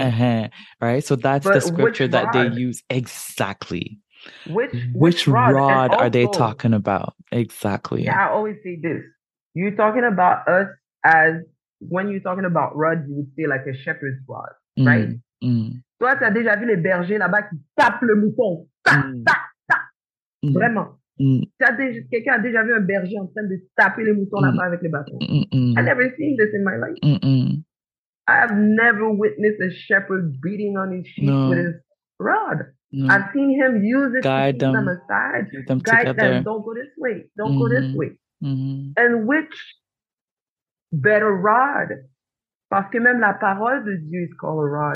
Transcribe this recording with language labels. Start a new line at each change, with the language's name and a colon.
English: Uh-huh. Right? So that's the scripture that they use. Exactly. Which rod also, are they talking about? Exactly. Yeah, I always say this. You're talking about us as, when you're talking about rod, you would say like a shepherd's rod, right? Mm.
French: Toi, tu as déjà vu les bergers là-bas qui tapent le mouton. Vraiment. Quelqu'un a déjà vu un berger en train de taper le mouton là-bas avec le bâton. Mm-mm.
English: I've never seen this in my life. Mm-mm. I have never witnessed a shepherd beating on his sheep with his rod. Mm. I've seen him use it guide to keep them aside. Them guide together. Them, don't go this way. Don't go this way. Mm-hmm. And which better rod?
French: Parce que même la parole de Dieu
English: is called a rod.